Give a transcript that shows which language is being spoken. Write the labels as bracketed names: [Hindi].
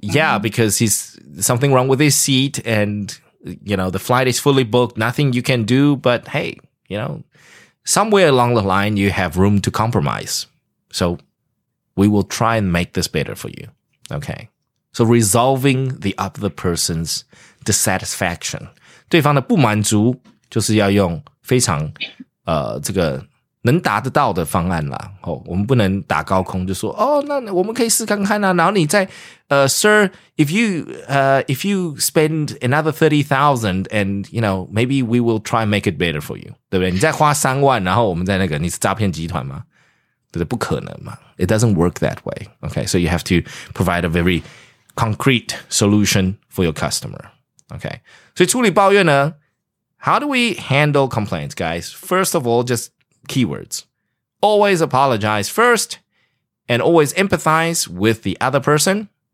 [English] Yeah, because he's something wrong with his seat and, you know, the flight is fully booked. Nothing you can do. But hey, you know, somewhere along the line, you have room to compromise. So we will try and make this better for you. Okay. So resolving the other person's dissatisfaction. [Chinese] 对方的不满足就是要用非常这个能达得到的方案啦。哦、我们不能打高空就说哦那我们可以试看看啦、啊。然后你再 [English] Sir, if you spend another 30,000 and, you know, maybe we will try and make it better for you. [Chinese] 对不对你再花三万然后我们再那个你是诈骗集团吗对不对不可能嘛。 [English] It doesn't work that way. Okay, so you have to provide a very... concrete solution for your customer. Okay. So, [Chinese] 处理抱怨呢, [English] how do we handle complaints, guys? First of all, just keywords. Always apologize first and always empathize with the other person.